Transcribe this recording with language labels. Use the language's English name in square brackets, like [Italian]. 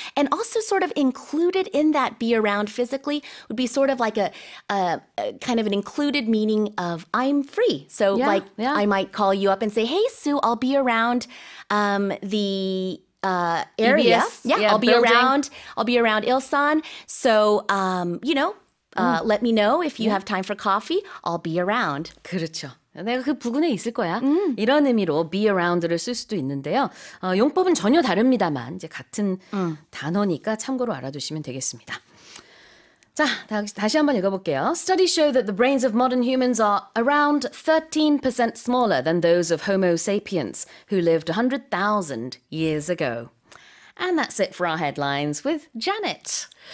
[English] And also sort of included in that be around physically would be sort of like a kind of an included meaning of I'm free. So I might call you up and say, hey, Sue, I'll be around the... area. EBS. I'll be around Ilsan. So, you know, let me know if you have time for coffee. I'll be around. [Korean] 그렇죠. 내가 그 부근에 있을 거야. 이런 의미로 be around를 쓸 수도 있는데요. 용법은 전혀 다릅니다만 이제 같은 단어니까 참고로 알아두시면 되겠습니다. 자, 다시 한번 읽어볼게요. [English] Studies show that the brains of modern humans are around 13% smaller than those of Homo sapiens, who lived 100,000 years ago. And that's it for our headlines with Janet.